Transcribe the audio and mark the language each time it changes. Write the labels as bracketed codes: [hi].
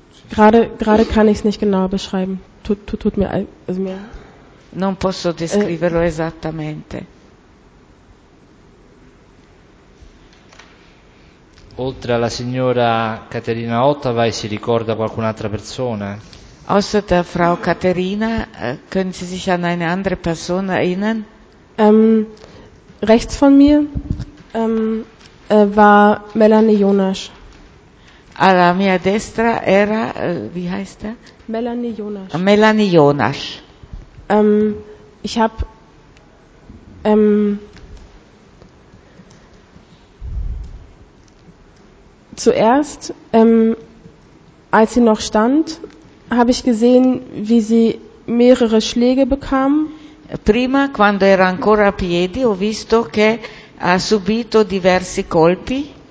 [de] Gerade kann ich es nicht genau beschreiben. Tut mir also mir. [it] Non posso descriverlo esattamente. Oltre alla signora Caterina Ottava, si ricorda qualcun'altra persona? [de] Außer der Frau Caterina, können Sie sich an eine andere Person erinnern? Rechts von mir war Melanie Jonasch. [it] Alla mia destra era, [de] wie heißt er? Melanie Jonasch. Melanie Jonasch. Ich habe zuerst, als sie noch stand, habe ich gesehen, wie sie mehrere Schläge bekam. [it] Prima, quando era ancora a piedi, ho visto che ha subito diversi colpi.